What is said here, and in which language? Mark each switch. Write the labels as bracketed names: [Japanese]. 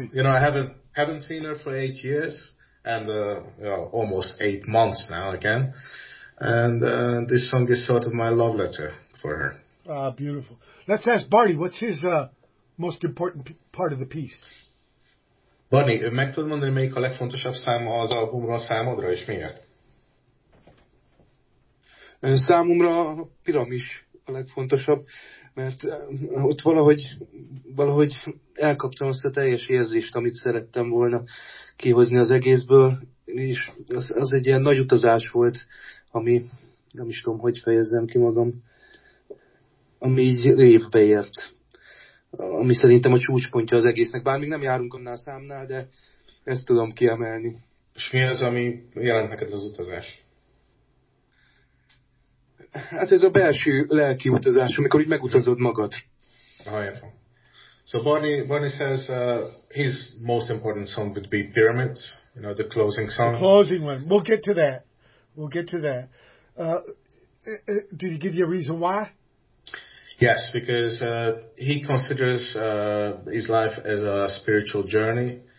[English] You know, I haven't seen her for 8 years and almost 8 months now again. And this song is sort of my love letter for her. Ah, beautiful. Let's ask Barney, what's his most important part of the piece? [Hungarian] Barney, meg tudod mondani, melyik a legfontosabb száma az albumról számodra, és miért? Számomra a piramis a legfontosabb, mert ott valahogy elkaptam azt a teljes érzést, amit szerettem volna kihozni az egészből, és az egy ilyen nagy utazás volt, ami nem is tudom, hogy fejezzem ki magam, ami így évbe ért, ami szerintem a csúcspontja az egésznek, bár még nem járunk annál számnál, de ezt tudom kiemelni. És mi az, ami jelent neked az utazás? Hát ez a belső lelki utazás, amikor így megutazod magad. Ah, értem. [English] So Barney says his most important song would be Pyramids, you know, the closing song. The closing one. We'll get to that. Did he give you a reason why? Yes, because he considers his life as a spiritual journey.